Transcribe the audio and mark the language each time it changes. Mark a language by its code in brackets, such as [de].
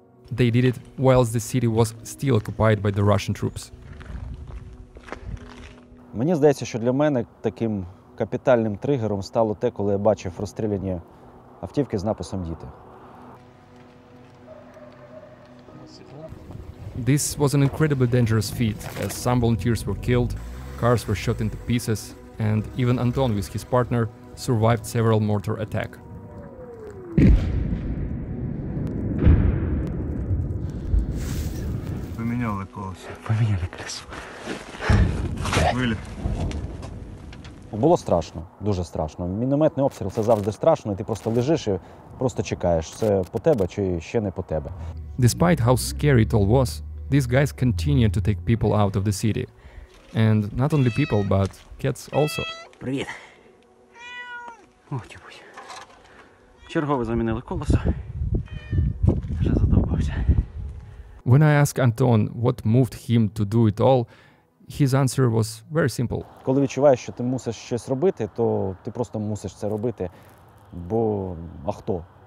[en] They did it whilst the city was still occupied by the Russian troops. [uk] Мені здається, що для мене таким капітальним тригером стало те, коли я бачив розстріляні автівки з написом "Діти". [en] This was an incredibly dangerous feat, as some volunteers were killed, cars were shot into pieces, and even Anton with his partner survived several mortar attacks. [uk] Поміняли колесо. Вилі. Було страшно, дуже страшно. Мінометний обстріл – це завжди страшно, і ти просто лежиш і просто чекаєш, це по тебе чи ще не по тебе. [en] Despite how scary it all was, these guys continued to take people out of the city. And not only people, but cats also. [uk] Привіт. О, тюбусь. Чергово замінили колесо. Вже задовбався. [en] When I asked Anton what moved him to do it all, his answer was very simple. [uk] Коли відчуваєш, що ти мусиш щось робити, то ти просто мусиш це робити, бо а хто?